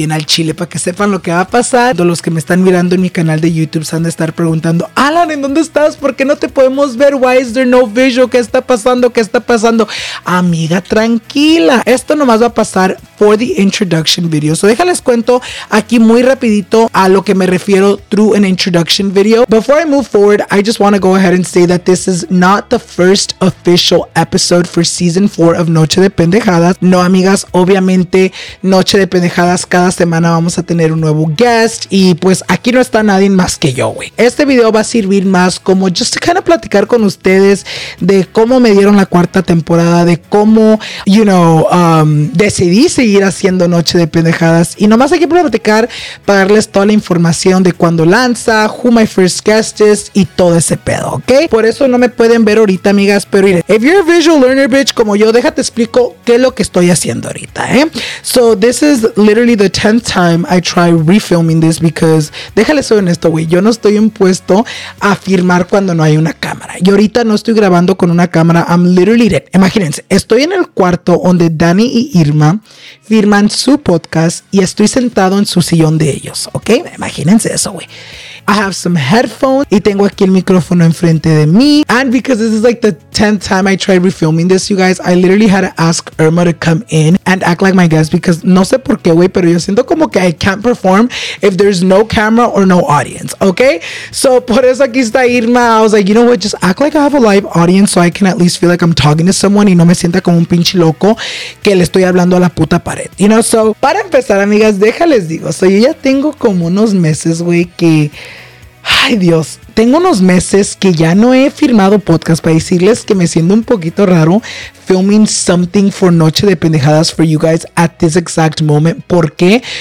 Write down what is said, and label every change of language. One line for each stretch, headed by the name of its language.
Spanish: Bien al chile para que sepan lo que va a pasar. Todos los que me están mirando en mi canal de YouTube se han de estar preguntando, Alan, ¿en dónde estás? ¿Por qué no te podemos ver? Why is there no visual? ¿Qué está pasando? ¿Qué está pasando? Amiga, tranquila, esto nomás va a pasar for the introduction video. So déjales cuento aquí muy rapidito a lo que me refiero through an introduction video.
English: Before I move forward, I just want to go ahead and say that this is not the first official episode for season 4 of Noche de Pendejadas.
Spanish: No, amigas, obviamente Noche de Pendejadas, cada semana vamos a tener un nuevo guest y pues aquí no está nadie más que yo, güey. Este video va a servir más como just to kind of platicar con ustedes de cómo me dieron la cuarta temporada, de cómo, you know, decidí seguir haciendo Noche de Pendejadas y nomás aquí para platicar, para darles toda la información de cuándo lanza, who my first guest is y todo ese pedo, ¿ok? Por eso no me pueden ver ahorita, amigas, pero mire, if you're a visual learner, bitch, como yo, déjate explico qué es lo que estoy haciendo ahorita, ¿eh? So this is literally the 10th time I try refilming this because, déjale ser honesto, güey, yo no estoy impuesto a firmar cuando no hay una cámara. Y ahorita no estoy grabando con una cámara. I'm literally dead. Imagínense, estoy en el cuarto donde Dani y Irma firman su podcast y estoy sentado en su sillón de ellos, ¿ok? Imagínense eso, güey. I have some headphones y tengo aquí el micrófono enfrente de mí.
English: And because this is like the 10th time I tried refilming this, you guys, I literally had to ask Irma to come in and act like my guest because no sé por qué, güey, pero yo siento como que I can't perform if there's no camera or no audience, okay? So por eso aquí está Irma. I was like, you know what, just act like I have a live audience so I can at least feel like I'm talking to someone y no me sienta como un pinche loco que le estoy hablando a la puta pared, you know?
Spanish: So para empezar, amigas, déjales digo, so yo ya tengo como unos meses, güey, que... Ay, Dios, tengo unos meses que ya no he firmado podcast para decirles que me siento un poquito raro filming something for Noche de Pendejadas for you guys at this exact moment. ¿Por qué?